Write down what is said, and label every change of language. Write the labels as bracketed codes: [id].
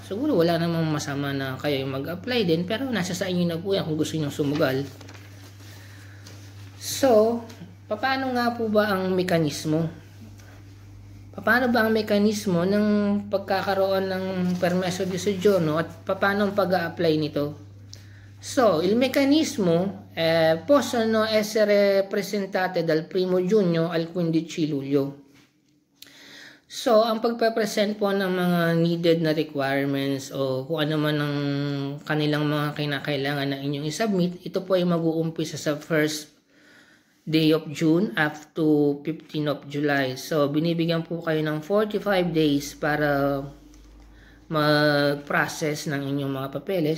[tl] Siguro wala namang masama na kayo ay mag-apply din, pero nasa sa inyo na po yan kung gusto nyo sumugal. So, paano nga po ba ang mekanismo? Paano ba ang mekanismo ng pagkakaroon ng permesso di soggiorno at paano ang pag-a-apply nito? [it] So, il meccanismo possono essere presentate dal 1 giugno al 15 luglio. [tl] So, ang pagpapresent po ng mga needed na requirements o kung ano man ang kanilang mga kinakailangan na inyong isubmit, ito po ay mag-uumpisa sa first day of June up to 15 of July. So, binibigyan po kayo ng 45 days para mag-process ng inyong mga papeles.